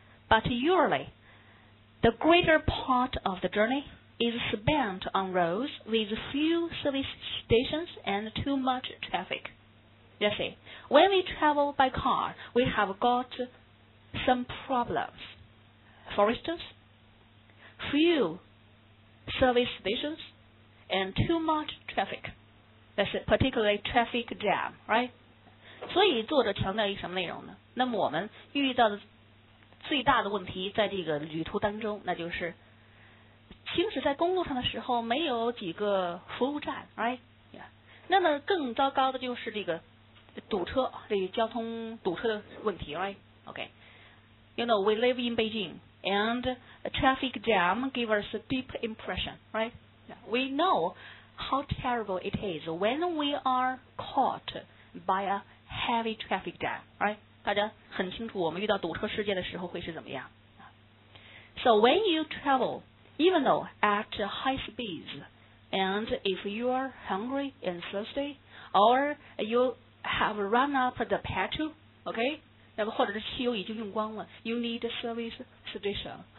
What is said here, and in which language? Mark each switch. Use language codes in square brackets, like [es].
[en] But usually, the greater part of the journey is spent on roads with few service stations and too much traffic. You see, when we travel by car, we have got some problems. For instance, few service stations and too much traffic. That's particularly traffic jam, right? [zh] 所以作者强调一个什么内容呢？那么我们遇到的最大的问题在这个旅途当中，那就是行驶在公路上的时候没有几个服务站， right? [en] Yeah. [zh] 那么更糟糕的就是这个堵车，这个交通堵车的问题， right? [en] Okay. You know, we live in Beijing. And a traffic jam gives us a deep impression, right? We know how terrible it is when we are caught by a heavy traffic jam, right? [zh] 大家很清楚我们遇到堵车事件的时候会是怎么样。 [en] So when you travel, even though at high speeds, and if you are hungry and thirsty, or you have run up the petrol, okay? [zh] 那么或者是汽油已经用光了 ， [en] you need a service station.